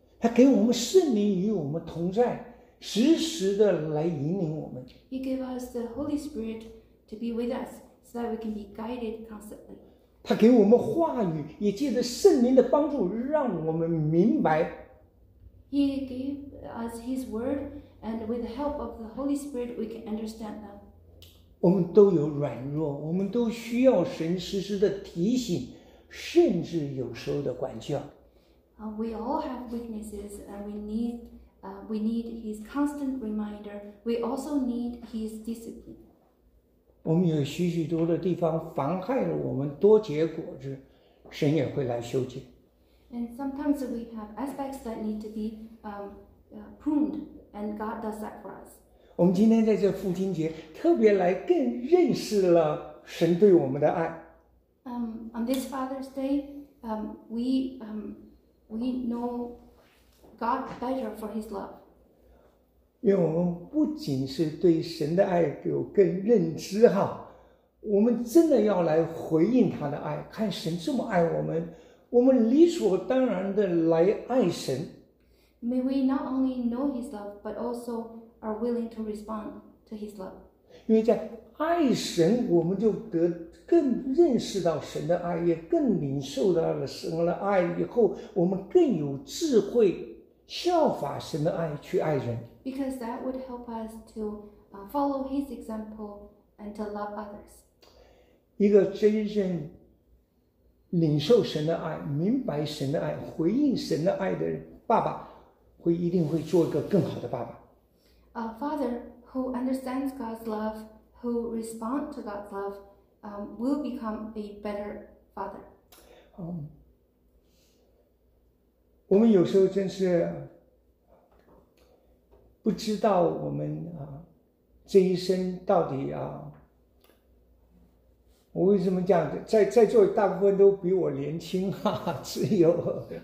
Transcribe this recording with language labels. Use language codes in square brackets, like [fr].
[zh] 他给我们圣灵与我们同在，时时的来引领我们。 [en] He gave us the Holy Spirit to be with us, so that we can be guided constantly. [zh] 他给我们话语，也借着圣灵的帮助，让我们明白。 [en] He gave us His word, and with the help of the Holy Spirit, we can understand them. [zh] 我们都有软弱，我们都需要神时时的提醒，甚至有时候的管教。 [en] We all have weaknesses, and we need His constant reminder. We also need His discipline. [zh] 我们有许许多的地方妨害了我们多结果子，神也会来修剪。 [en] And sometimes we have aspects that need to be pruned, and God does that for us. [zh] 我们今天在这父亲节特别来更认识了神对我们的爱。 [en] On this Father's Day, we know God better for His love. [zh] 因为我们不仅是对神的爱有更认知哈，我们真的要来回应他的爱，看神这么爱我们。我们理所当然的来爱神。 [en] May we not only know His love, but also are willing to respond to His love. [zh] 因为在爱神，我们就得更认识到神的爱，也更领受到了神的爱。以后我们更有智慧，效法神的爱去爱人。 [en] Because that would help us to follow His example and to love others. [zh] 一个真正领受神的爱，明白神的爱，回应神的爱的爸爸，会一定会做一个更好的爸爸。 [en] A father who understands God's love, who responds to God's love, will become a better father. [zh] 我们有时候真是不知道我们这一生到底我为什么这样子？在座大部分都比我年轻哈、只有。